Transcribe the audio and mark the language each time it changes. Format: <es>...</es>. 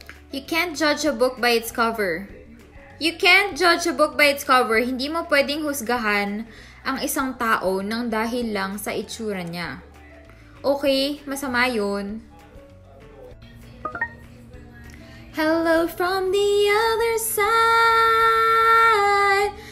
<en>You can't judge a book by its cover. You can't judge a book by its cover.</en> <tl>Hindi mo pwedeng husgahan ang isang tao nang dahil lang sa itsura niya. Okay, masama yun.</tl> <en>Hello from the other side.</en>